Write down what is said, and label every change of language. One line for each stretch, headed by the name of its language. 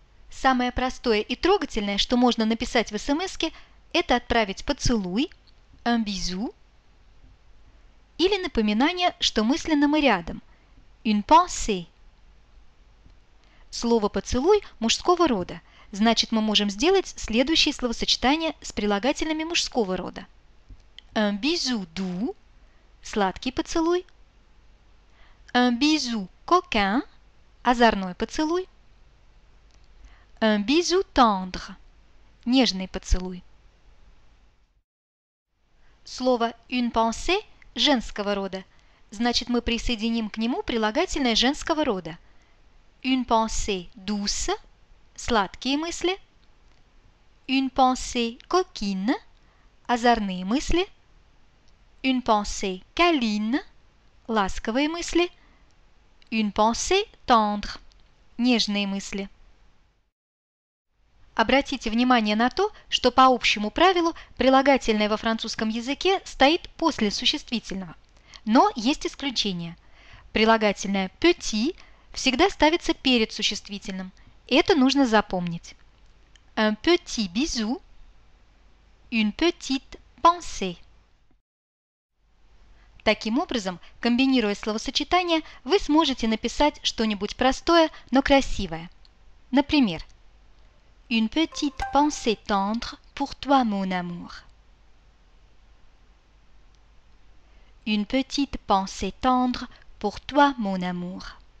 Russian: Самое простое и трогательное, что можно написать в смс-ке, это отправить поцелуй, un bisou, или напоминание, что мысленно мы рядом, une pensée. Слово «поцелуй» мужского рода, значит, мы можем сделать следующее словосочетание с прилагательными мужского рода.
French: Un bisou doux –
Russian: сладкий поцелуй.
French: Un bisou coquin –
Russian: озорной поцелуй.
French: Un bisou tendre –
Russian: нежный поцелуй. Слово «une pensée» – женского рода, значит, мы присоединим к нему прилагательное женского рода.
French: Une pensée douce –
Russian: сладкие мысли.
French: Une pensée coquine –
Russian: озорные мысли.
French: Une pensée câline –
Russian: ласковые мысли.
French: Une pensée tendre –
Russian: нежные мысли. Обратите внимание на то, что по общему правилу прилагательное во французском языке стоит после существительного. Но есть исключения. Прилагательное «petit» всегда ставится перед существительным. Это нужно запомнить.
French: Un petit bisou, une petite pensée.
Russian: Таким образом, комбинируя словосочетания, вы сможете написать что-нибудь простое, но красивое.
French: Например, une petite pensée tendre pour toi, mon amour. Une petite pensée tendre pour toi, mon amour.